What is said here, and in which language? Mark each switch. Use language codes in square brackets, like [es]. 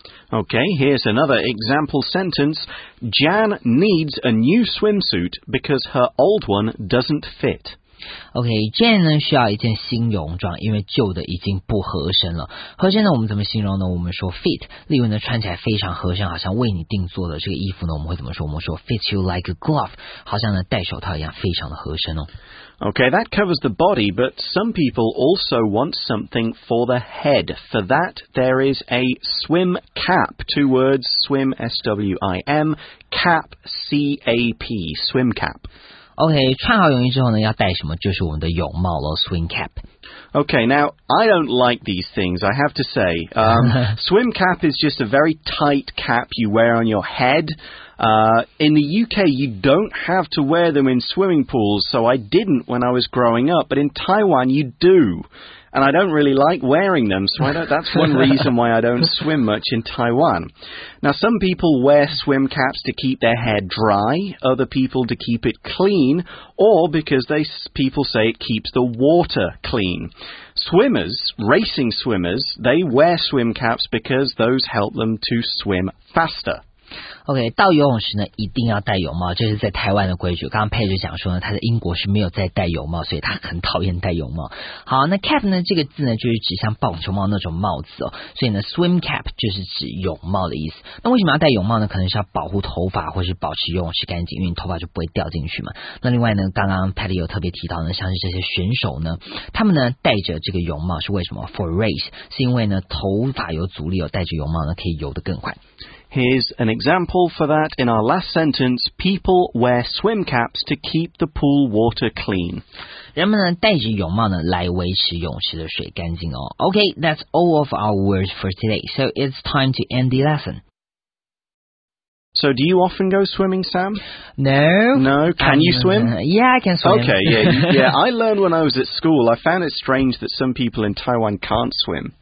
[en] Okay, here's another example sentence. Jan needs a new swimsuit because her old one doesn't fit. [zh] Okay, Jan 呢需要一件新泳装，因为旧的已经不合身了。合身呢我们怎么形容呢？我们说 fit， 例如呢穿起来非常合身，好像为你定做的这个衣服呢，我们会怎么说？我们说 [en] fits you like a glove， [zh] 好像呢戴手套一样，非常的合身哦。 [en] Okay, that covers the body, but some people also want something for the head. For that, there is a swim cap. Two words, swim, S-W-I-M, cap, C-A-P, swim cap. Okay, 穿好泳衣之后呢，要戴什么？就是我们的泳帽咯， swim cap. Okay, now, I don't like these things, I have to say. swim cap is just a very tight cap you wear on your head. In the UK, you don't have to wear them in swimming pools, so I didn't when I was growing up. But in Taiwan, you do. And I don't really like wearing them, so that's one reason why I don't swim much in Taiwan. Now, some people wear swim caps to keep their hair dry, other people to keep it clean, or because people say it keeps the water clean. Racing swimmers, they wear swim caps because those help them to swim faster. [zh] OK, 到游泳时呢一定要戴泳帽，这是在台湾的规矩。刚刚佩就讲说呢，他在英国是没有在戴泳帽，所以他很讨厌戴泳帽。好，那 cap 呢这个字呢就是指像棒球帽那种帽子哦，所以呢 swim cap 就是指泳帽的意思。那为什么要戴泳帽呢？可能是要保护头发或是保持游泳时干净，因为头发就不会掉进去嘛。那另外呢，刚刚佩有特别提到呢，像是这些选手呢，他们呢戴着这个泳帽是为什么？ [en] For race， [zh] 是因为呢头发有阻力哦，戴着泳帽呢可以游得更快。 [en] Here's an example for that. In our last sentence, people wear swim caps to keep the pool water clean. [zh] 人们呢戴着泳帽呢来维持泳池的水干净哦。 [en] Okay, that's all of our words for today. So it's time to end the lesson. So do you often go swimming, Sam? No. No? Can you swim? Yeah, I can swim. Okay, yeah. Yeah, I learned when I was at school. I found it strange that some people in Taiwan can't swim.